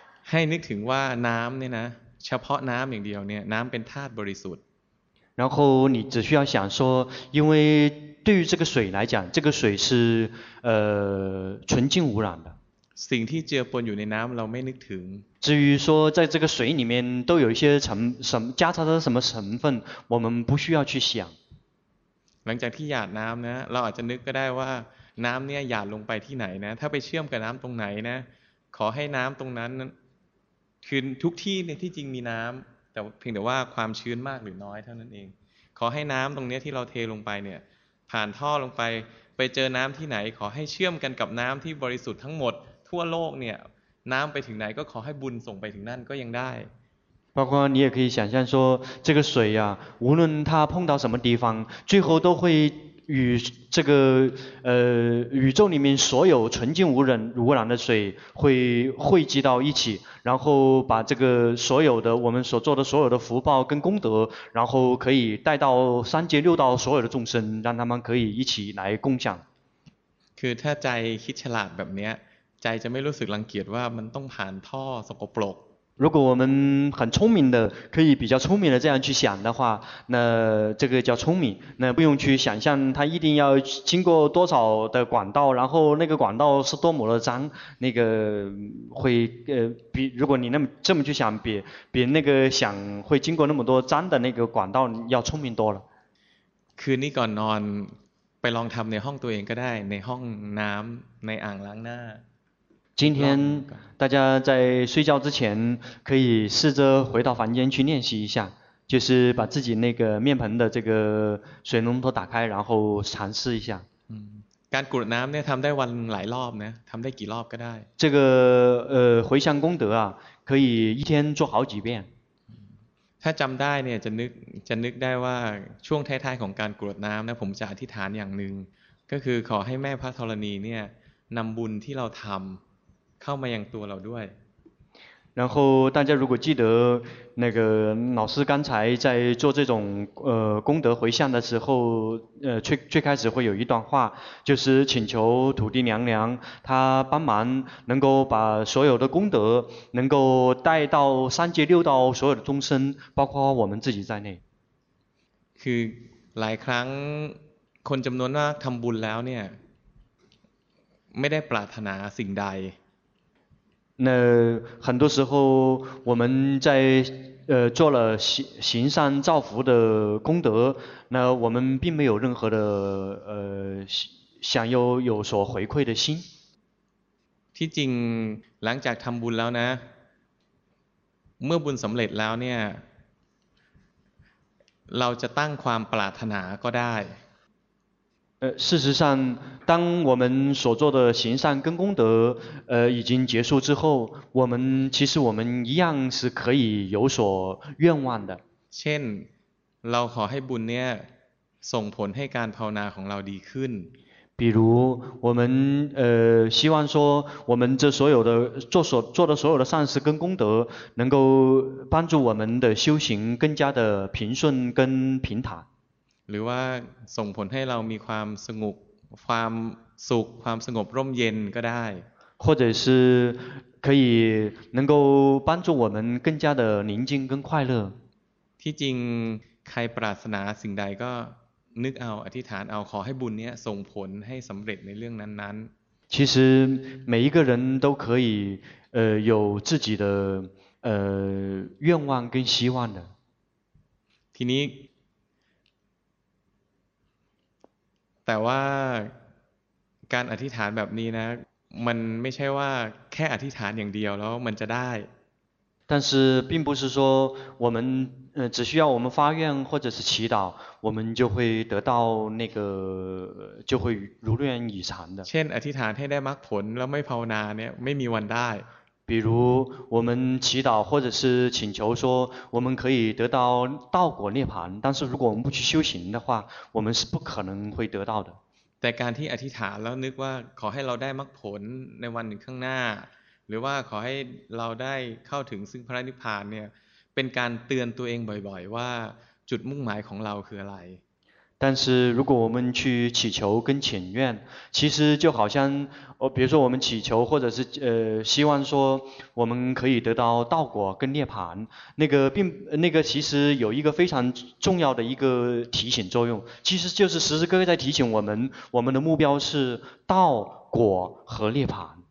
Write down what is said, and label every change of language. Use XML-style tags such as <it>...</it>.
<th>ให้นึกถึงว่าน้ำเนี่ยนะเฉพาะน้ำอย่างเดียวเนี่ยน้ำเป็นธาตุบริสุทธิ์</th> <zh>然后你只需要想说因为对于这个水来讲这个水是纯净污染的</zh> <th>สิ่งที่เจือปนอยู่ในน้ำเราไม่นึกถึง</th> <zh>至于说在这个水里面都有一些成什么加插的什么成分我们不需要去想</zh> <th>หลังจากที่หยาดน้ำนะเราอาจจะนึกก็ได้ว่าน้ำเนี่ยหยาดลงไปที่ไหนนะถ้าไปเชื่อมกับน้ำตรงไหนนะขอให้น้ำตรงนั้นคือทุกที่ในที่จริงมีน้ำแต่เพียงแต่ว่าความชื้นมากหรือน้อยเท่านั้นเองขอให้น้ำตรงนี้ที่เราเทลงไปเนี่ยผ่านท่อลงไปเจอน้ำที่ไหนขอให้เชื่อมกันกับน้ำที่บริสุทธิ์ทั้งหมดทั่วโลกเนี่ยน้ำไปถึงไหนก็ขอให้บุญส่งไปถึงนั่นก็ยังได้</th> <zh>包括你也可以想象说这个水呀、啊、无论它碰到什么地方最后都会与这个宇宙里面所有纯净无染污染的水会汇集到一起然后把这个所有的我们所做的所有的福报跟功德然后可以带到三界六道所有的众生让他们可以一起来共享</zh> <th>คือถ้าใจคิดฉลาดแบบนี้ใจจะไม่รู้สึกรังเกียจว่ามันต้องผ่านท่อสกปรก</th> <zh>如果我们很聪明的可以比较聪明的这样去想的话那这个叫聪明那不用去想象它一定要经过多少的管道然后那个管道是多么的脏那个会比如果你那么这么去想比那个想会经过那么多脏的那个管道要聪明多了</zh> <th>คืนนี้ก่อนนอนไปลองทำในห้องตัวเองก็ได้ในห้องน้ำในอ่างล้างหน้า</th> <zh>今天大家在睡觉之前可以试着回到房间去练习一下就是把自己那个面盆的这个水龙头打开然后尝试一下</zh> <th>การกรวดน้ำเนี่ยทำได้วันหลายรอบนะทำได้กี่รอบก็ได้</th> <zh>这个回向功德啊可以一天做好几遍</zh> <th>ถ้าจำได้เนี่ยจะนึกได้ว่าช่วงท้ายๆของการกรวดน้ำนะผมจะอธิษฐานอย่างหนึ่งก็คือขอให้แม่พระธรณีเนี่ยนำบุญที่เราทำเข้ามายังตัวเราด้วย</th> <zh>然后大家如果记得那个老师刚才在做这种功德回向的时候最开始会有一段话就是请求土地娘娘她帮忙能够把所有的功德能够带到三界六道所有的众生包括我们自己在内</zh> <th>คือหลายครั้งคนจำนวนมากทำบุญแล้วเนี่ยไม่ได้ปรารถนาสิ่งใด</th> <zh>那很多时候我们在做了行善造福的功德那我们并没有任何的想有所回馈的心</zh> <th>ที่จริงหลังจากทำบุญแล้วนะเมื่อบุญสำเร็จแล้วเนี่ยเราจะตั้งความปรารถนาก็ได้</th> <zh>事实上当我们所做的行善跟功德已经结束之后我们一样是可以有所愿望的</zh> <th>เช่นเราขอให้บุญเนี่ยส่งผลให้การภาวนาของเราดีขึ้น</th> <zh>比如我们希望说我们这所有的做的所有的善事跟功德能够帮助我们的修行更加的平顺跟平坦</zh> <th>หรือว่าส่งผลให้เรามีความสงบความสุขความสงบร่มเย็นก็ได้</th> <zh>或者是可以能够帮助我们更加的宁静跟快乐</zh> <th>ที่จริงใครปรารถนาสิ่งใดก็นึกเอาอธิษฐานเอาขอให้บุญเนี้ยส่งผลให้สำเร็จในเรื่องนั้นๆ</th> <zh>其实每一个人都可以有自己的愿望跟希望的。</zh> <th>ทีนี้แต่ว่าการอธิษฐานแบบนี้นะมันไม่ใช่ว่าแค่อธิษฐานอย่างเดียวแล้วมันจะได้</th> <zh>但是并不是说我们只需要我们发愿或者是祈祷我们就会得到那个就会如愿以偿的</zh> <th>เช่นอธิษฐานให้ได้มรรคผลแล้วไม่ภาวนาเนี่ยไม่มีวันได้</th> <zh>比如我们祈祷或者是请求说我们可以得到道果涅槃但是如果我们不去修行的话我们是不可能会得到的</zh> <th>แต่การที่อธิษฐานแล้วนึกว่าขอให้เราได้มรรคผลในวันหนึ่งข้างหน้าหรือว่าขอให้เราได้เข้าถึงซึ่งพระนิพพานเนี่ยเป็นการเตือนตัวเองบ่อยๆว่าจุดมุ่งหมายของเราคืออะไร</th> <zh>但是如果我们去祈求跟请愿其实就好像比如说我们祈求或者是希望说我们可以得到道果跟涅槃那个其实有一个非常重要的一个提醒作用其实就是时时刻刻在提醒我们的目标是道果和涅槃</zh>